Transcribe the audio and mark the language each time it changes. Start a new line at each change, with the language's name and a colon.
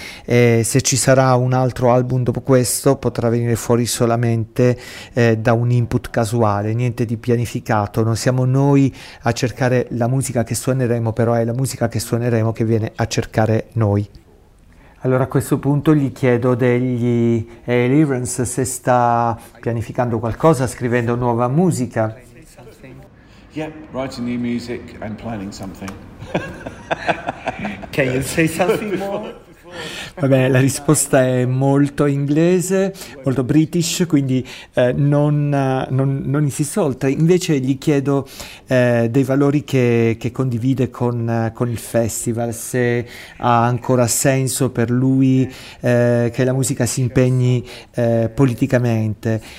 Italian: E se ci sarà un altro album dopo questo, potrà venire fuori solamente da un input casuale, niente di pianificato. Non siamo noi a cercare la musica che suoneremo, però è la musica che suoneremo che viene a cercare noi. Allora a questo punto gli chiedo degli Lawrence se sta pianificando qualcosa, scrivendo nuova musica.
English: Yeah, writing new music and planning something. Can you say something more?
Italian: Vabbè, la risposta è molto inglese, molto British, quindi non insisto oltre. Invece gli chiedo dei valori che condivide con il festival, se ha ancora senso per lui che la musica si impegni politicamente.